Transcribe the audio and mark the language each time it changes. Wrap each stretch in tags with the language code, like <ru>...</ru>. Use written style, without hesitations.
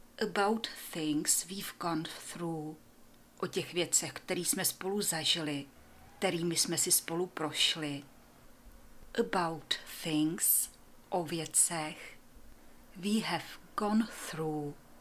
<en>About things we've gone through.</en> <cs>O těch věcech, které jsme spolu zažili, kterými jsme si spolu prošli.</cs> <en>About things,</en> <cs>o věcech,</cs> <en>we have gone through.</en>